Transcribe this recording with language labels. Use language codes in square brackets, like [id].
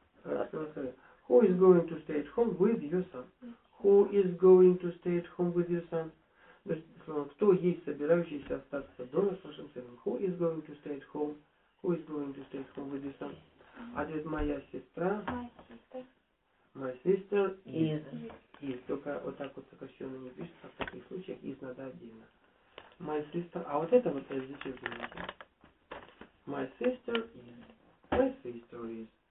[en] Who is going to stay at home with your son? Who is going to stay at home with your son? [ru] То есть, словом, кто есть собирающийся остаться дома с вашим сыном? [en] Who is going to stay at home? Who is going to stay at home with your son? [ru] Ответ моя сестра. [en] My sister. My sister is. [ru] Только вот так вот сокращенно не пишется, в таких случаях is надо отдельно. [en] My sister. [ru] А вот это вот я зачем заметил. [en] My sister is. My sister is.